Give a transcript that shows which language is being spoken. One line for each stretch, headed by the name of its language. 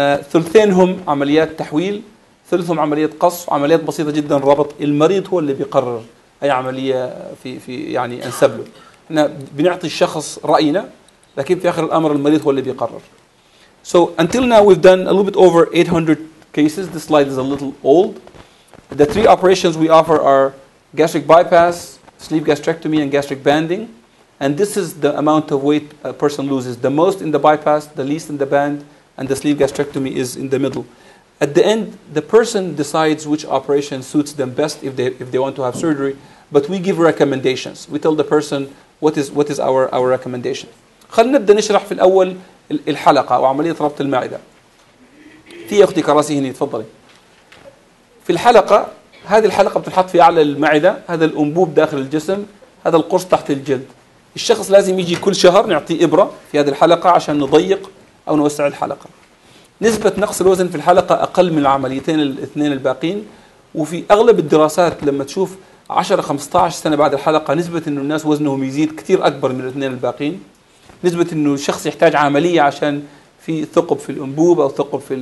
Arabic: ثلثينهم عمليات تحويل ثلثهم عمليات قص عمليات بسيطة جدا ربط المريض هو اللي بيقرر أي عملية في يعني أنسب له إحنا بنعطي الشخص رأينا لكن في آخر الأمر المريض هو اللي بيقرر
English: So until now we've done a little bit over 800 cases This slide is a little old The three operations we offer are gastric bypass, sleeve gastrectomy, and gastric banding. And this is the amount of weight a person loses. The most in the bypass, the least in the band, and the sleeve gastrectomy is in the middle. At the end, the person decides which operation suits them best if they want to have surgery. But we give recommendations. We tell the person what is our recommendation.
Arabic: خلنا نبدأ نشرح في الأول الحلقة أو عملية ربط المعدة. في أختي كراسي هنا تفضلي. في الحلقة هذه الحلقة بتنحط في أعلى المعدة هذا الأنبوب داخل الجسم هذا القرص تحت الجلد الشخص لازم يجي كل شهر نعطيه إبرة في هذه الحلقة عشان نضيق أو نوسع الحلقة نسبة نقص الوزن في الحلقة أقل من العمليتين الاثنين الباقين وفي أغلب الدراسات لما تشوف 10-15 سنة بعد الحلقة نسبة إنه الناس وزنهم يزيد كتير أكبر من الاثنين الباقين نسبة إنه الشخص يحتاج عملية عشان في ثقب في الأنبوب أو ثقب